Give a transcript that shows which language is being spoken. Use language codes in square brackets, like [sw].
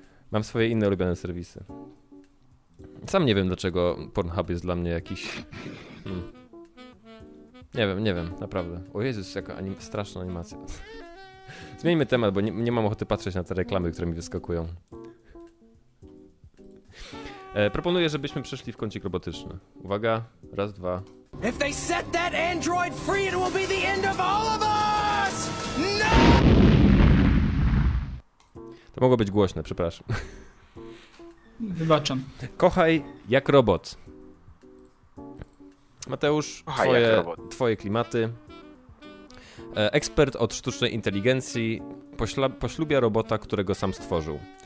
[pl] Mam swoje inne ulubione serwisy. Sam nie wiem, dlaczego Pornhub jest dla mnie jakiś... Nie wiem, naprawdę. O Jezus, jaka straszna animacja. Zmieńmy temat, bo nie mam ochoty patrzeć na te reklamy, które mi wyskakują. Proponuję, żebyśmy przeszli w kącik robotyczny. Uwaga, raz, dwa. [en] If they set that android free, it will be the end of all of us! No! [pl] To mogło być głośne, przepraszam. Wybaczam. Kochaj jak robot. Mateusz, twoje klimaty. Ekspert od sztucznej inteligencji poślubia robota, którego sam stworzył.